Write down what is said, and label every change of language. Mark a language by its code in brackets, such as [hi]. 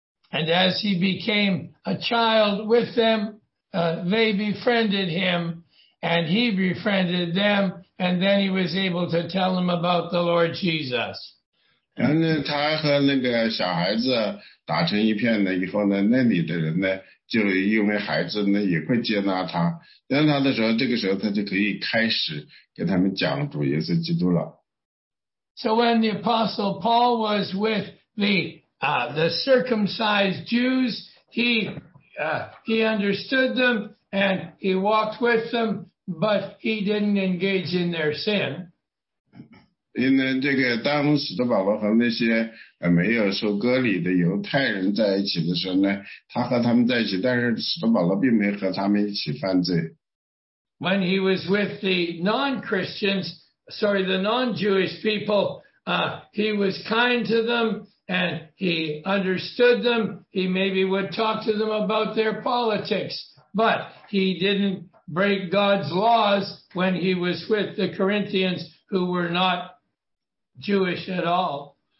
[en] And as he became a child with them, they befriended him, and he befriended them, and then he was able to tell them about the Lord Jesus. [zh] 然后呢，他和那个小孩子打成一片了以后呢，那里的人呢，就因为孩子呢也会接纳他。然后他的时候，这个时候他就可以开始跟他们讲主耶稣基督了。 [en] So when the Apostle Paul was with the circumcised Jews, he understood them and he walked with them, but he didn't engage in their sin. [zh] 因为这个当使徒保罗和那些没有受割礼的犹太人在一起的时候呢，他和他们在一起，但是使徒保罗并没有和他们一起犯罪。 [en] When he was with the non-Christians, sorry, the non-Jewish people, he was kind to them and he understood them. He maybe would talk to them about their politics, but he didn't break God's laws when he was with the Corinthians who were not Jewish at all.